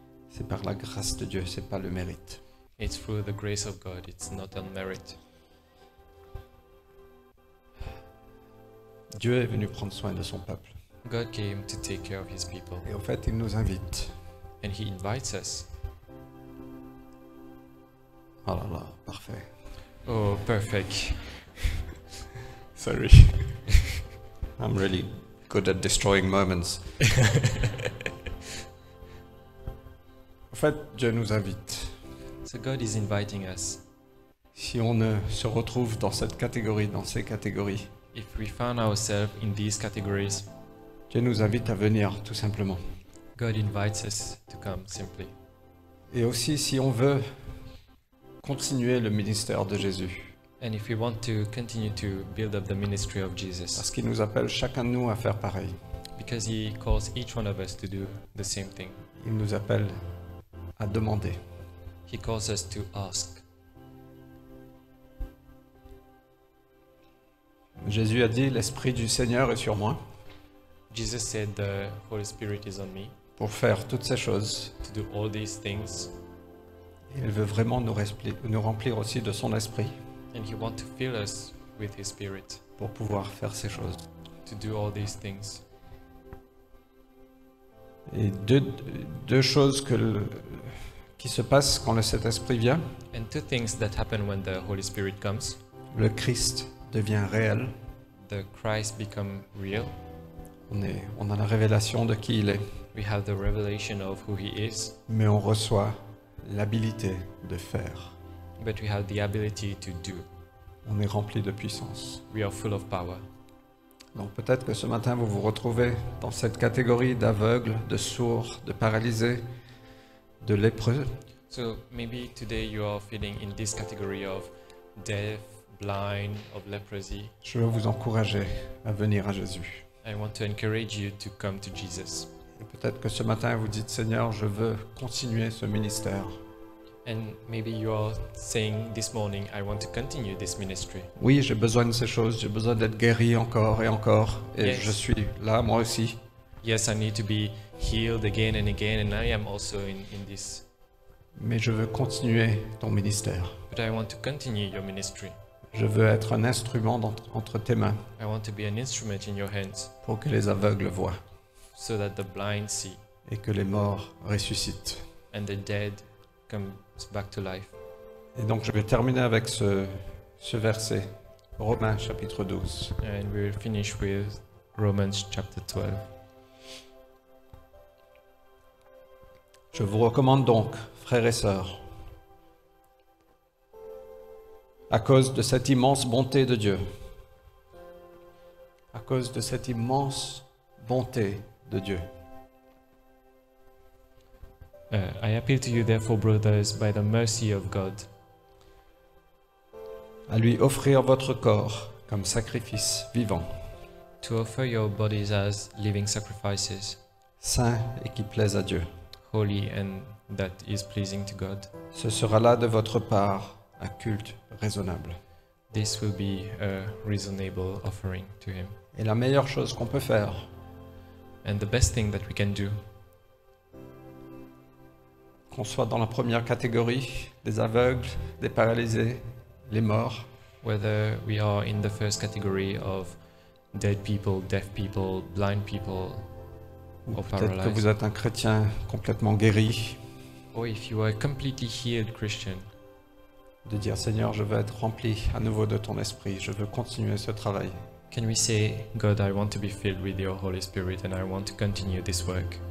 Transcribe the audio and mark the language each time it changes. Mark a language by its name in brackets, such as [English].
[French] C'est par la grâce de Dieu, c'est pas le mérite. [English] It's through the grace of God, it's not on merit. [French] Dieu est venu prendre soin de son peuple. [English] God came to take care of his people. [French] Et en fait, il nous invite. [English] And he invites us. [French] Oh là là, parfait. [English] Oh, perfect. Sorry. I'm really good at destroying moments. [French] En fait, Dieu nous invite. [English] So God is inviting us. [French] si on se retrouve dans cette catégorie, dans ces catégories. [English] If we find ourselves in these categories, [French] Dieu nous invite à venir tout simplement. [English] God invites us to come simply. [French] Et aussi si on veut continuer le ministère de Jésus. [English] And if we want to continue to build up the ministry of Jesus. [French] Parce qu'il nous appelle chacun de nous à faire pareil. [English] Because he calls each one of us to do the same thing. [French] Il nous appelle à demander. [English] He calls us to ask. [French] Jésus a dit, l'Esprit du Seigneur est sur moi. [English] Jesus said, the Holy Spirit is on me. [French] Pour faire toutes ces choses. [English] To do all these things. [French] Il veut vraiment nous remplir aussi de son Esprit. [English] And he wants to fill us with his Spirit. [French] Pour pouvoir faire ces choses. [English] To do all these things. [French] Et deux choses qui se passent quand le Saint-Esprit vient. [English] And two things that happen when the Holy Spirit comes. [French] Le Christ devient réel. [English] The Christ become real. [French] On a la révélation de qui il est. [English] We have the revelation of who he is. [French] Mais on reçoit l'habilité de faire. [English] But we have the ability to do. [French] On est rempli de puissance. [English] We are full of power. [French] Donc peut-être que ce matin vous vous retrouvez dans cette catégorie d'aveugle, de sourd, de paralysé, de lépreux. [English] So maybe today you are feeling in this category of deaf, blind, of leprosy. [French] Je veux vous encourager à venir à Jésus. [English] I want to encourage you to come to Jesus. [French] Et peut-être que ce matin vous dites, Seigneur, je veux continuer ce ministère. [English] And maybe you are saying this morning, I want to continue this ministry. [French] Oui, j'ai besoin de ces choses. J'ai besoin d'être guéri encore et encore. Et [English] yes. [French] Je suis là, moi aussi. [English] Yes, I need to be healed again and again, and I am also in this. [French] Mais je veux continuer ton ministère. [English] But I want to continue your ministry. [French] Je veux être un instrument entre tes mains. [English] I want to be an instrument in your hands. [French] Pour que les aveugles voient. [English] So that the blind see. [French] Et que les morts ressuscitent. [English] And the dead come back to life. [French] Et donc je vais terminer avec ce verset, Romains chapitre 12. [English] And we will finish with Romans chapter 12. [French] Je vous recommande donc, frères et sœurs, à cause de cette immense bonté de Dieu, à cause de cette immense bonté de Dieu. [English] I appeal to you therefore, brothers, by the mercy of God. [French] À lui offrir votre corps comme sacrifice vivant. [English] To offer your bodies as living sacrifices. [French] Saint et qui plaise à Dieu. [English] Holy and that is pleasing to God. [French] Ce sera là de votre part un culte raisonnable. [English] This will be a reasonable offering to him. [French] Et la meilleure chose qu'on peut faire. [English] And the best thing that we can do. [French] Qu'on soit dans la première catégorie, des aveugles, des paralysés, les morts. [English] Whether we are in the first category of dead people, deaf people, blind people, or [French] peut-être [English] paralyzed. [French] Peut-être que vous êtes un chrétien complètement guéri. [English] Or if you are a completely healed Christian. [French] De dire, Seigneur, je veux être rempli à nouveau de ton esprit, je veux continuer ce travail. [English] Can we say, God, I want to be filled with your Holy Spirit and I want to continue this work.